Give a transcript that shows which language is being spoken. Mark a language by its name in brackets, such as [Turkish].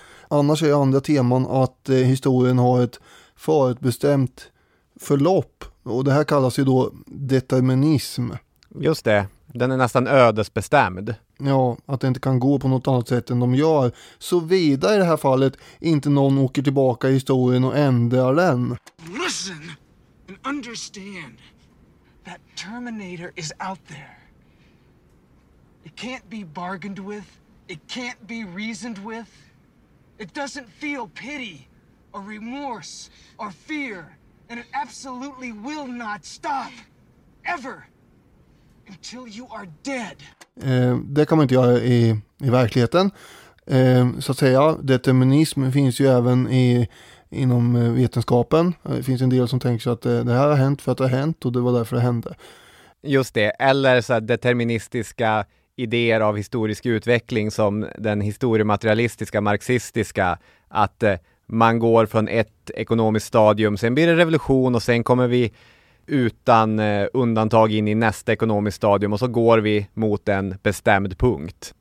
[Swedish] Annars är andra teman att historien har ett förutbestämt förlopp. Och det här kallas ju då determinism. Just det, den är nästan ödesbestämd. Ja, att det inte kan gå på något annat sätt än de gör. Såvida i det här fallet inte någon åker tillbaka i historien och ändrar den. [English] Listen and understand that Terminator is out there. It can't be bargained with. It can't be reasoned with. It doesn't feel pity or remorse or fear. And it absolutely will not stop. Ever. Until you are dead. [Swedish] Det kan man inte göra i verkligheten. Så att säga, determinism finns ju även inom vetenskapen. Det finns en del som tänker sig att det här har hänt för att det har hänt och det var därför det hände. Just det, eller så här deterministiska idéer av historisk utveckling som den historiematerialistiska, marxistiska, att man går från ett ekonomiskt stadium, sen blir det revolution och sen kommer vi utan undantag in i nästa ekonomiskt stadium och så går vi mot en bestämd punkt.